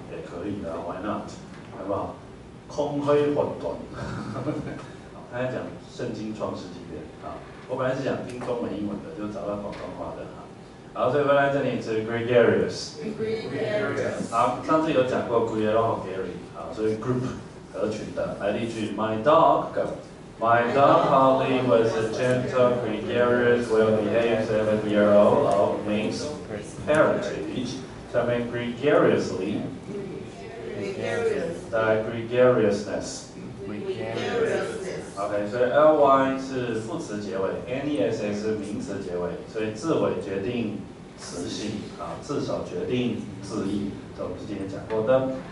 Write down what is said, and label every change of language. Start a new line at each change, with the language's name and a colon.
Chinese: 也可以的 ， Why not？好不好？空虚混沌，他在讲圣经创世纪的啊。我本来是想听中文、英文的，就找到广东话的。好，所以回来这里是 Gregarious。好，上次有讲过 Gregarious， 好，所以 group 合群的。
English: 来例句，My dog， go。 My dog Holly was a gentle, gregarious, well-behaved 7-year-old of mixed heritage.
Chinese: 下面 gregariously，
English: gregarious，
Chinese: 带 gregariousness，
English: gregariousness。
Chinese: OK， 所以 ly 是副词结尾 ，ness 是名词结尾，所以字尾决定词性啊，字首决定字义，这我们之前讲过的。